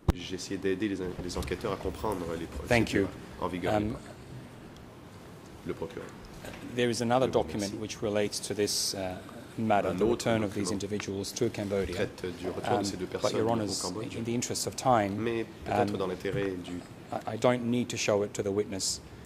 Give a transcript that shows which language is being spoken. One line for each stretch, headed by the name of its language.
French: J'ai essayé d'aider les enquêteurs à comprendre les procédures en vigueur. Le procureur.
English: There is another document which relates to this matter, the return of these individuals to Cambodia.
French: Traite du retour de ces deux personnes au Cambodge.
English: In the interest of time,
French: mais peut-être dans l'intérêt du.
English: I don't need to show it to the witness.